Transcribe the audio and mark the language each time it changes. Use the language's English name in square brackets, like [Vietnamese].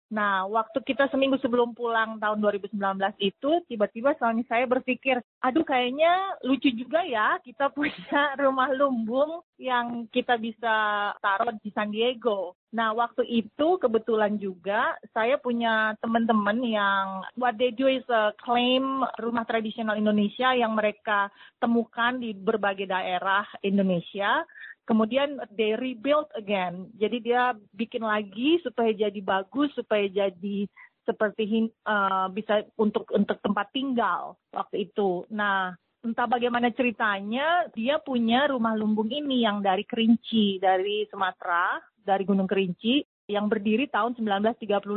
[Indonesian] Nah, waktu kita seminggu sebelum pulang tahun 2019 itu, tiba-tiba soalnya saya berpikir, aduh kayaknya lucu juga ya kita punya rumah lumbung yang kita bisa taruh di San Diego. Nah, waktu itu kebetulan juga saya punya teman-teman yang [English] what they do is a claim [Indonesian] rumah tradisional Indonesia yang mereka temukan di berbagai daerah Indonesia. Kemudian [English] they rebuild again. [Indonesian] Jadi dia bikin lagi supaya jadi bagus, supaya jadi seperti bisa untuk tempat tinggal waktu itu. Nah, entah bagaimana ceritanya, dia punya rumah lumbung ini yang dari Kerinci, dari Sumatera, dari Gunung Kerinci, yang berdiri tahun 1935.